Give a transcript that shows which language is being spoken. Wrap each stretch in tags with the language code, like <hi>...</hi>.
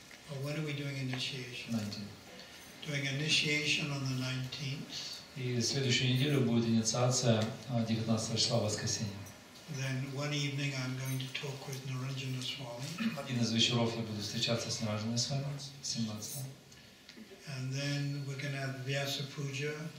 <en>Well, when are we doing initiation? 19. Doing initiation on the 19th.</en> <ru>И следующую неделю будет инициация 19 числа воскресенья.</ru> <en>Then one evening I'm going to talk with Narayana Swami.</en> <ru>Один из вечеров я буду встречаться с Нараджаной Свами, 17.</ru> <en>And then we're going to have Vyasa Puja.</en>